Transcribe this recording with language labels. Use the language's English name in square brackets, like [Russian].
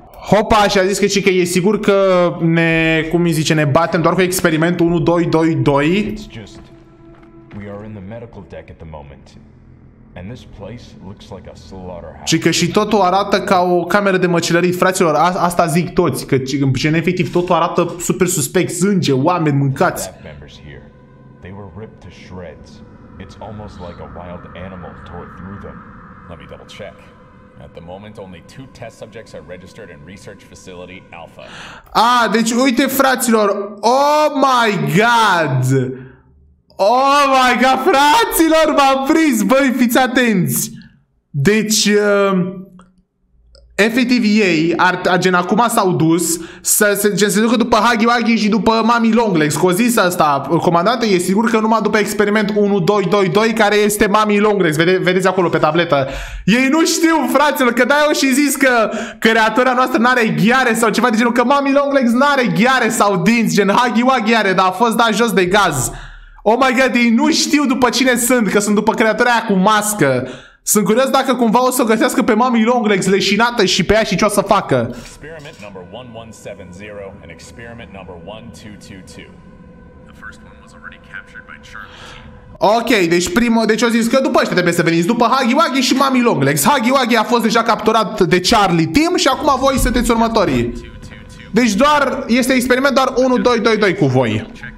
[Romanian] Hopa și a zis că și că e sigur că ne, cum îi zice, ne batem doar cu experimentul 1222. [English] It's just, we are in the medical deck at the moment. And this place looks like a slaughterhouse. [Romanian] Și că și totul arată ca o cameră de măcelărit, fraților, asta zic toți, că în efectiv totul arată super suspect, sânge, oameni mâncați. [English] They were ripped to shreds. It's almost like a wild animal tore through them. Let me double check. At the moment, only two test subjects are registered in Research Facility Alpha. [Romanian] Ah, deci uite, fraților. [English] Oh my god! Oh my god, [Romanian] fraților, m-am prins! Băi, fiți atenți! Deci, efectiv, ei, gen, acum s-au dus să se ducă după Huggy Wuggy și după Mami Longlegs. Că o zis asta, comandante, e sigur că numai după experiment 1222, care este Mami Longlegs. Vedeți acolo pe tabletă. Ei nu știu, fraților, că de-aia au și zis că creatura noastră n-are ghiare sau ceva de genul, că Mami Longlegs n-are ghiare sau dinți, gen Huggy Wuggy are, dar a fost dat jos de gaz. [English] Oh my god, [Romanian] ei nu știu după cine sunt, că sunt după creatura aia cu mască. Sunt curios dacă cumva o să o găsească pe Mami Longlegs leșinată și pe ea și ce o să facă. [English] Experiment number 1170 and experiment number 1222. The first one was already captured by Charlie. [Romanian] Ok, deci primul, deci o zis că după ăștia trebuie să veniți, după Huggy Wuggy și Mami Longlegs. Huggy Wuggy a fost deja capturat de Charlie Tim și acum voi sunteți următorii. Deci doar este experiment doar 1222 cu voi.